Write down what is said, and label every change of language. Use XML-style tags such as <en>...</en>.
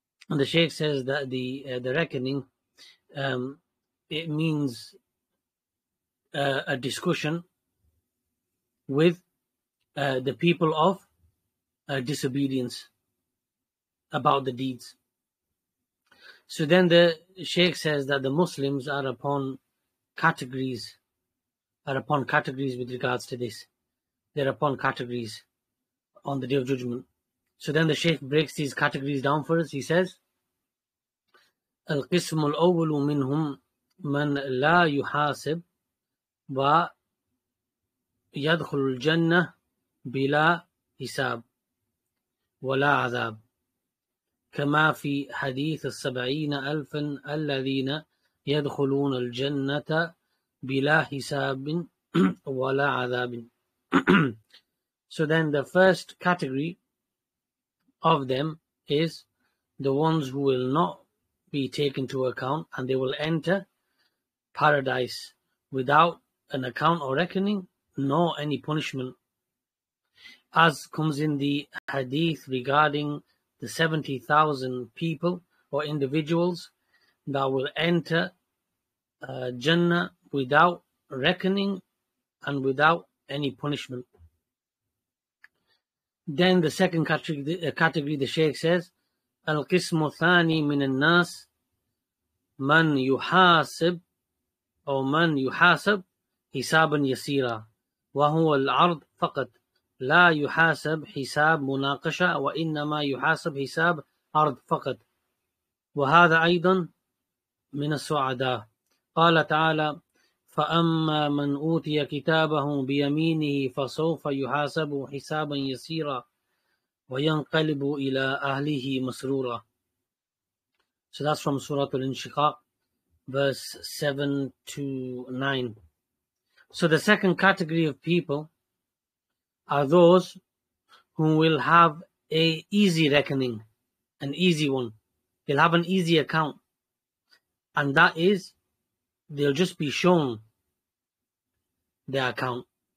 <en>And the Shaykh says that the reckoning, it means a discussion with the people of disobedience about the deeds. So then the Shaykh says that the Muslims are upon categories with regards to this. They're upon categories on the Day of Judgment. So then the Shaykh breaks these categories down for us. He says,</en> <ar>القسم الأول منهم من لا يحاسب ويدخل الجنة بلا حساب ولا عذاب كما في حديث 70,000 الذين يدخلون الجنة بلا حساب ولا عذاب.</ar> <en>So then the first category of them is the ones who will not be taken to account, and they will enter paradise without an account or reckoning, nor any punishment. As comes in the hadith regarding the 70,000 people or individuals that will enter Jannah without reckoning and without any punishment. Then the second category, the Shaykh says,</en> <ar>Al-Qismu Thani Min Al-Nas من يحاسب أو من يحاسب حسابا يسيرا وهو العرض فقط لا يحاسب حساب مناقشة وإنما يحاسب حساب عرض فقط وهذا أيضا من السعداء. قال تعالى فأما من أوتي كتابه بيمينه فسوف يحاسب حسابا يسيرا وينقلب إلى أهله مسرورا.</ar> <en>So that's from Surah Al-Inshiqaq, verse 7 to 9. So the second category of people are those who will have a easy reckoning, an easy one. They'll have an easy account, and that is, they'll just be shown their account.</en>